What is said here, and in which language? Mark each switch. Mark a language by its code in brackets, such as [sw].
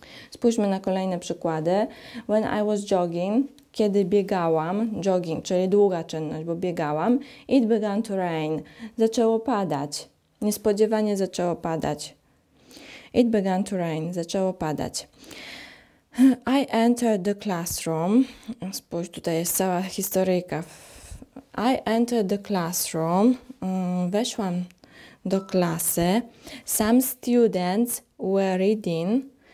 [pl] Spójrzmy na kolejne przykłady. [en] When I was jogging, [pl] kiedy biegałam, jogging, czyli długa czynność, bo biegałam, [en] it began to rain, [pl] zaczęło padać, niespodziewanie zaczęło padać. [en] It began to rain. [pl] Zaczęło padać. [en] I entered the classroom. [pl] Spójrz, tutaj jest cała historyjka. [en] I entered the classroom. [pl] Weszłam do klasy. [en] Some students were reading.